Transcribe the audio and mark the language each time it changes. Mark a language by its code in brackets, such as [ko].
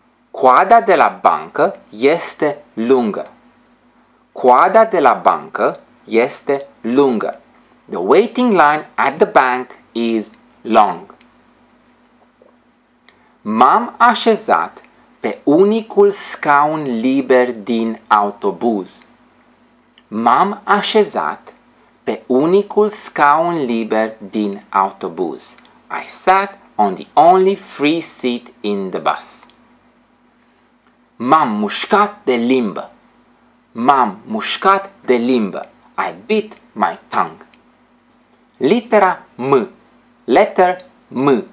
[ro] Coada de la bancă este lungă. Coada de la bancă este lungă. [en] The waiting line at the bank is long. [ro] M-am așezat pe unicul scaun liber din autobuz. M-am așezat pe unicul scaun liber din autobuz. [en] I sat on the only free seat in the bus. [ro] M-am mușcat de limbă. M-am mușcat de limbă. [en] I bit my tongue. [ro] Litera M. [en] Letter M.